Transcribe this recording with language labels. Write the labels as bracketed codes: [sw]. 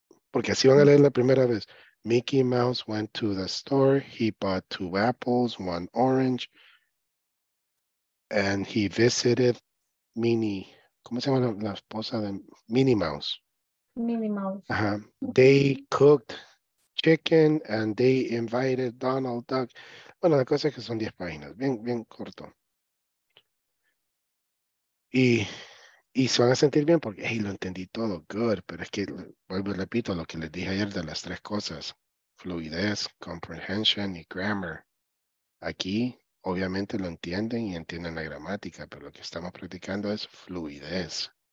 [es] Porque así van a leer la primera vez. [en] Mickey Mouse went to the store. He bought 2 apples, 1 orange. And he visited [es] Mini, ¿cómo se llama la esposa de Minnie Mouse? Minnie Mouse. Uh-huh. [en] They cooked chicken and they invited Donald Duck. [es] Bueno, la cosa es que son 10 páginas, bien, bien corto. Y se van a sentir bien porque, hey, lo entendí todo, good. Pero es que, vuelvo y repito lo que les dije ayer de las tres cosas. Fluidez, comprehension y grammar. Aquí, obviamente, lo entienden y entienden la gramática, pero lo que estamos practicando es fluidez.